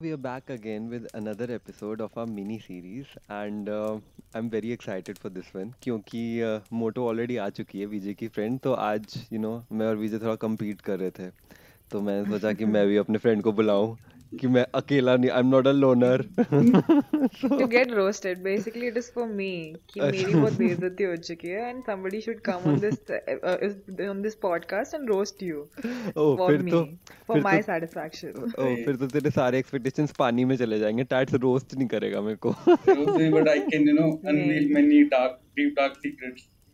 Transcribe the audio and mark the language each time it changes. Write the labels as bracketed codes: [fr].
[en] We are back again with another episode of our mini series, and I'm very excited for this one [hi] क्योंकि मोटो already आ चुकी है विजय की friend. तो आज you know मैं और विजय थोड़ा कम्पीट कर रहे थे, तो मैंने सोचा कि मैं भी अपने फ्रेंड को बुलाऊं कि मैं अकेला नहीं, [en] I am not a loner. To get roasted, basically it is for me [hi] कि मेरी बहुत बेइज्जती हो चुकी है [en] and somebody should come on this podcast and roast you for me, for my satisfaction. [hi] फिर तो तेरे सारे expectations पानी में चले जाएंगे. टाइट्स रोस्ट नहीं करेगा मेरे को. [en] But I can you know unveil many dark deep dark secrets.